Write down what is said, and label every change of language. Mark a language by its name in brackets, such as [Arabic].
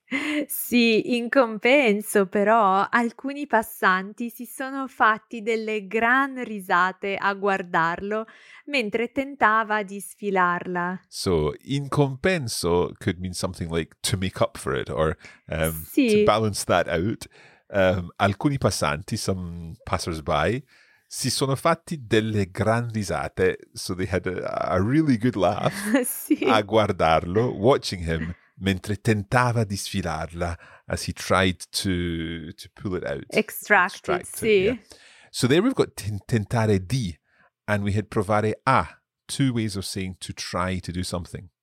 [Italian] Sì, in compenso però alcuni passanti si sono fatti delle gran risate a guardarlo mentre tentava di sfilarla. [English] So, [Italian] in compenso [English] could mean something like to make up for it or to balance that out. [Italian] Alcuni passanti, [English] some passersby, [Italian] si sono fatti delle gran risate. [English] So they had a really good laugh [Italian] a guardarlo, [English] watching him. [Italian] Mentre tentava di sfilarla, [English] as he tried to pull it out. Extract it, sì. Yeah. So there we've got tentare di, and we had provare a, two ways of saying to try to do something.